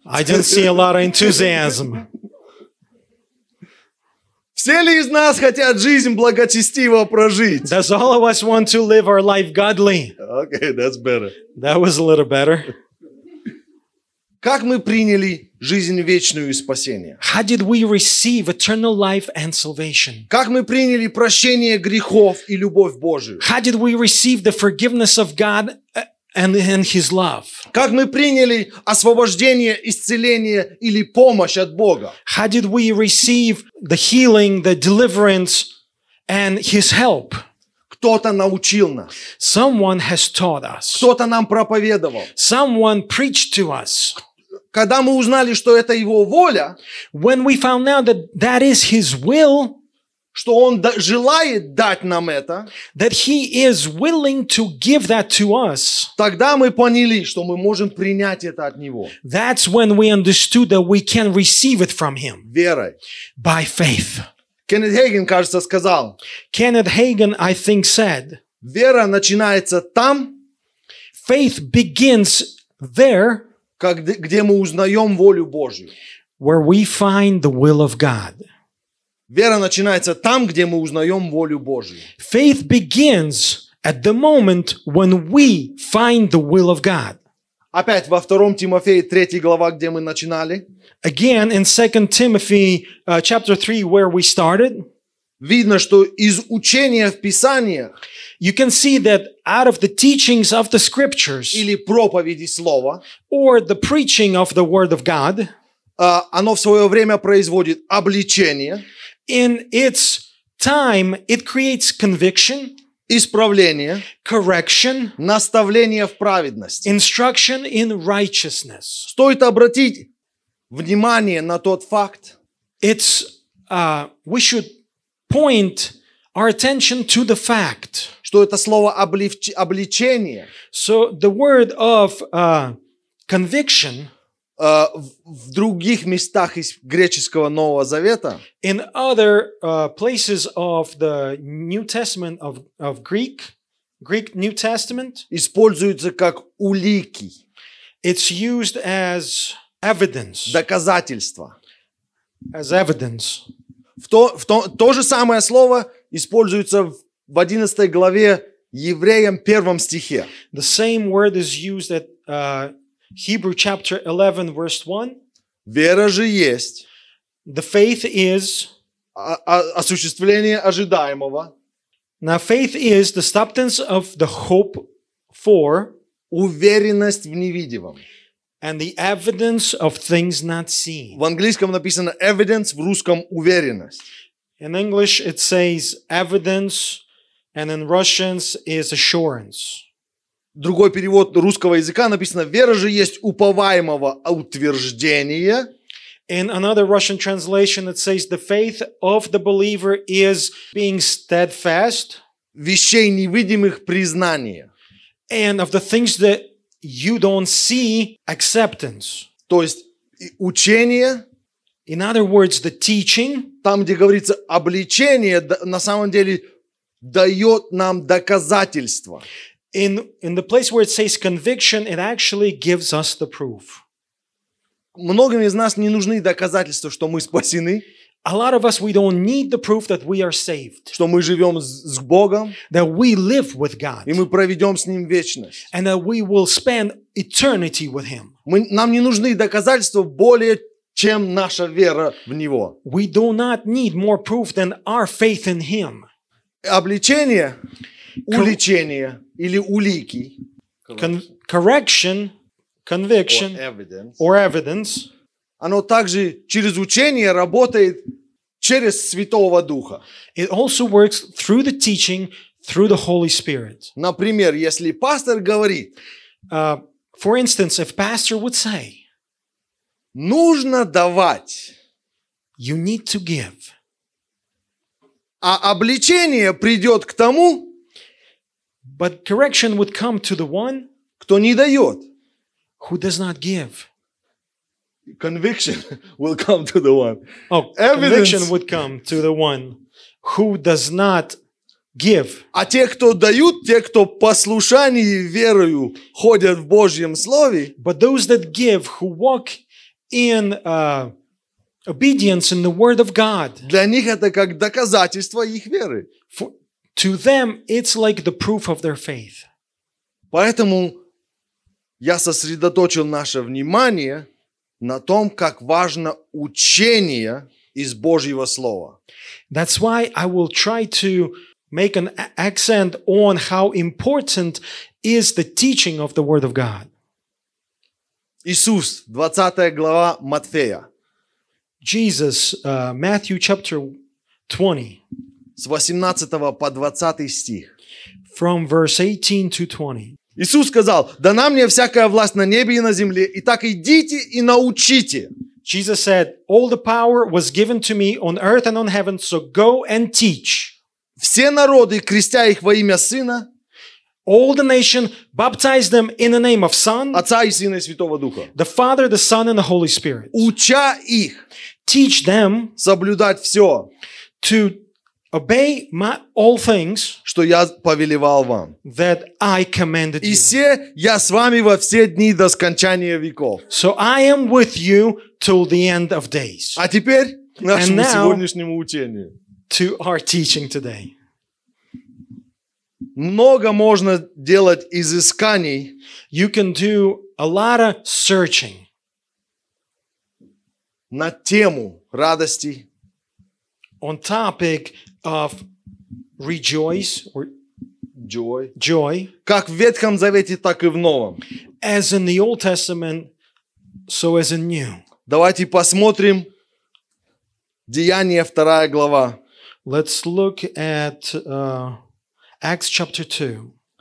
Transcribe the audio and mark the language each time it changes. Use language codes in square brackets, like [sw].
[en] I didn't see a lot of enthusiasm. [ru] Все ли из нас хотят жизнь благочестиво прожить? [en] Does all of us want to live our life godly? Okay, that's better. That was a little better. [ru] Как мы приняли жизнь вечную и спасение? [en] How did we receive eternal life and salvation? [ru] Как мы приняли прощение грехов и любовь Божию? [en] How did we receive the forgiveness of God and His love? [ru] Как мы приняли освобождение, исцеление или помощь от Бога? [en] How did we receive the healing, the deliverance and His help? [ru] Кто-то научил нас. [en] Someone has taught us. [ru] Кто-то нам проповедовал. [en] Someone preached to us. [ru] Когда мы узнали, что это Его воля, [en] when we found out that that is His will, [ru] что Он желает дать нам это, [en] that He is willing to give that to us, [ru] тогда мы поняли, что мы можем принять это от Него. [en] That's when we understood that we can receive it from Him. [ru] Верой. [en] By faith. [ru] Кеннет Хейген, кажется, сказал. [en] Кеннет Хейген, I think, said. [ru] Вера начинается там. [en] Faith begins there. [ru] Где мы узнаем волю Божью. [en] Where we find the will of God. [ru] Вера начинается там, где мы узнаем волю Божью. [en] Faith begins at the moment when we find the will of God. [ru] Опять во 2 Тимофея 3 глава, где мы начинали. [en] Again, in 2 Timothy chapter 3, where we started, [ru] видно, что из учения в Писаниях, [en] you can see that out of the teachings of the Scriptures, [ru] или проповеди Слова, [en] or the preaching of the Word of God, [ru] оно в свое время производит обличение, [en] in its time, it creates conviction, [ru] исправление, [en] correction, [ru] наставление в праведности, [en] instruction in righteousness. [ru] Стоит обратить внимание на тот факт. [en] It's we should point our attention to the fact, [ru] что это слово обличение. [en] So the word of conviction [ru] в других местах из греческого Нового Завета, [en] in other places of the New Testament of Greek New Testament, [ru] используется как улики. [en] It's used as evidence. [ru] Доказательство. [en] As evidence. [ru] То же самое слово используется в 11 главе Евреям 1 стихе. [en] The same word is used at Hebrew chapter 11 verse 1. [ru] Вера же есть. [en] The faith is. [ru] Осуществление ожидаемого. [en] Now faith is the substance of the hope for. [ru] Уверенность в невидимом. [en] And the evidence of things not seen. [ru] В английском написано evidence, в русском уверенность. [en] In English it says evidence, and in Russians is assurance. [ru] Другой перевод русского языка написано вера же есть уповаемого утверждения. [en] In another Russian translation it says the faith of the believer is being steadfast. [ru] Вещей невидимых признание. [en] And of the things that you don't see acceptance. [ru] То есть учение. [en] In other words, the teaching. [ru] Там, где говорится обличение, на самом деле дает нам доказательство. [en] In the place where it says conviction, it actually gives us the proof. [ru] Многим из нас не нужны доказательства, что мы спасены. [en] A lot of us, we don't need the proof that we are saved. [ru] Что мы живем с Богом. [en] That we live with God. [ru] И мы проведем с Ним вечность. [en] And that we will spend eternity with Him. [ru] Нам не нужны доказательства более, чем наша вера в Него. [en] We do not need more proof than our faith in Him. [ru] Обличение, уличение или улики. [en] Correction, conviction, or evidence. [ru] Оно также через учение работает через Святого Духа. [en] It also works through the teaching, through the Holy Spirit. [ru] Например, если пастор говорит, [en] for instance, if pastor would say, [ru] нужно давать, [en] you need to give. [ru] А обличение придет к тому, [en] but correction would come to the one, [ru] кто не дает, [en] who does not give. Conviction will come to the one. Oh, evidence. Conviction would come to the one who does not give. [ru] А те, кто дают, те, кто послушание верою ходят в Божьем слове. [en] But those that give, who walk in obedience in the word of God. [ru] Для них это как доказательство их веры. [en] To them, it's like the proof of their faith. [ru] Поэтому я сосредоточил наше внимание на том, как важно учение из Божьего Слова. [en] That's why I will try to make an accent on how important is the teaching of the Word of God. [ru] Иисус, 20 глава Матфея. [en] Jesus, Matthew chapter 20. [ru] С 18 по 20 стих. [en] From verse 18 to 20. [ru] Иисус сказал, дана мне всякая власть на небе и на земле, и так идите и научите. [en] Jesus said, all the power was given to me on earth and on heaven, so go and teach. [ru] Все народы, крестя их во имя Сына, [en] all the nation, baptize them in the name of Son, [ru] Отца и Сына и Святого Духа, [en] the Father, the Son, and the Holy Spirit. [ru] Уча их, [en] teach them, [ru] соблюдать все, [en] to obey my all things, [ru] что я повелевал вам, [en] that I commanded you. [ru] И се, я с вами во все дни до скончания веков. [en] So I am with you till the end of days. [ru] А теперь к нашему [en] and now, [ru] сегодняшнему учению. [en] To our teaching today. [ru] Много можно делать изысканий. [en] You can do a lot of searching. [ru] На тему радости. [en] On topic of rejoice or [ru] joy, как в Ветхом Завете, так и в Новом. [en] As in the Old Testament, so as in New. [ru] Давайте посмотрим Деяния 2 глава. [en] Let's look at Acts chapter 2.